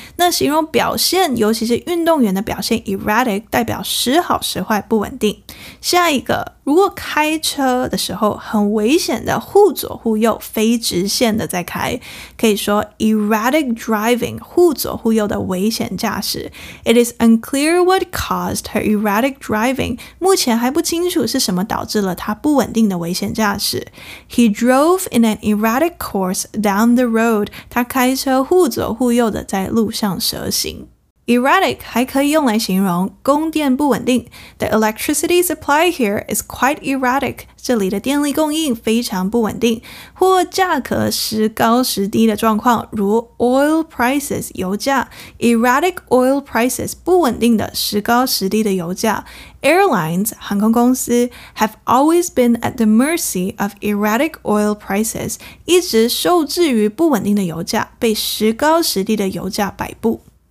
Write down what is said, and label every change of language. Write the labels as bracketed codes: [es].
[zh] 那形容表现，尤其是运动员的表现 erratic 代表时好时坏，不稳定。下一个，如果开车的时候很危险的互左互右，非直线的在开，可以说 erratic driving 互左互右的危险驾驶。 [en] It is unclear what caused her erratic driving. [zh] 目前还不清楚是什么导致了她不稳定的危险驾驶。 [en] He drove in an erratic course down the road. [zh] 她开车互左互右的在路上蛇行。 Erratic 还可以用来形容供电不稳定。 [en] The electricity supply here is quite erratic. [zh] 这里的电力供应非常不稳定。或价格时高时低的状况如 oil prices, 油价。 [en] Erratic oil prices, [zh] 不稳定的时高时低的油价。 [en] Airlines, [zh] 航空公司 [en] have always been at the mercy of erratic oil prices, [zh] 一直受制于不稳定的油价被时高时低的油价摆布。